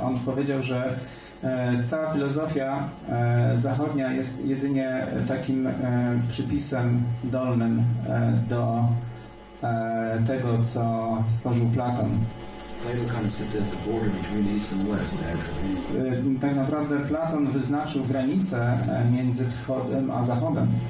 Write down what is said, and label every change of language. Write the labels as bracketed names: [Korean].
[Polish] On powiedział, że cała filozofia zachodnia jest jedynie takim przypisem dolnym do tego, co stworzył Platon. [English] Plato kind of sits at the border between East and West, actually. [Polish] Tak naprawdę Platon wyznaczył granicę między wschodem a zachodem.